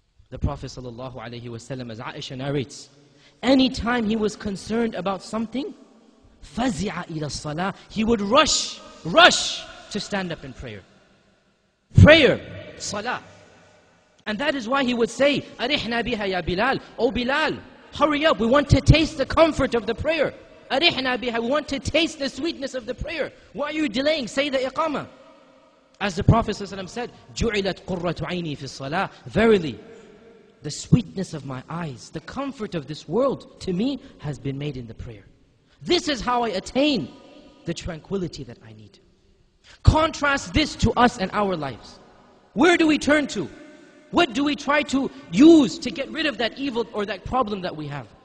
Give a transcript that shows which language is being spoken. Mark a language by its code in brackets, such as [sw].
[en] The Prophet sallallahu alaihi wasallam, as Aisha narrates, any time he was concerned about something, [ar] فَزِعَ إِلَى الصَّلَاةِ, [en] he would rush to stand up in prayer. Prayer, salah. And that is why he would say, [ar] أَرِحْنَا بِهَا يَا بِلَالِ. [en] O Bilal, hurry up, we want to taste the comfort of the prayer. [ar] أَرِحْنَا بِهَا, [en] we want to taste the sweetness of the prayer. Why are you delaying? Say the iqamah. As the Prophet ﷺ said, [ar] جُعِلَتْ قُرَّةُ عَيْنِي فِي الصَّلَاةِ. [en] Verily, the sweetness of my eyes, the comfort of this world to me has been made in the prayer. This is how I attain the tranquility that I need. Contrast this to us and our lives. Where do we turn to? What do we try to use to get rid of that evil or that problem that we have?